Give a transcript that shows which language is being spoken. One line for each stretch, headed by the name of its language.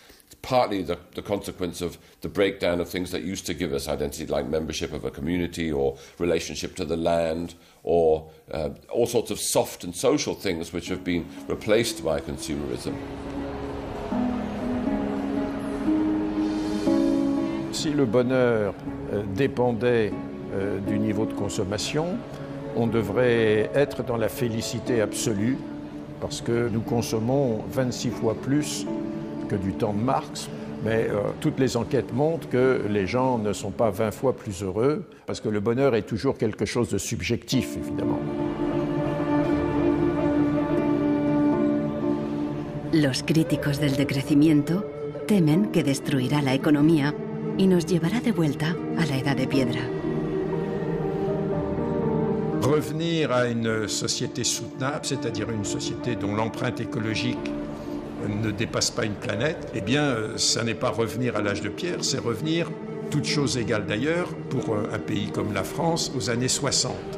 English: It's partly the consequence of the breakdown of things that used to give us identity, like membership of a community or relationship to the land or all sorts of soft and social things which have been replaced by consumerism.
French: Si le bonheur dépendait du niveau de consommation, on devrait être dans la félicité absolue parce que nous consommons 26 fois plus que du temps de Marx. Mais toutes les enquêtes montrent que les gens ne sont pas 20 fois plus heureux parce que le bonheur est toujours quelque chose de subjectif, évidemment.
Spanish: Los críticos del decrecimiento temen que destruirá la economía y nos llevará de vuelta a la edad de piedra.
French: Revenir a une société soutenable, c'est-à-dire une société dont l'empreinte écologique ne dépasse pas une planète, eh bien, ça n'est pas revenir à l'âge de pierre, c'est revenir, toutes choses égales d'ailleurs, pour un pays comme la France, aux années 60.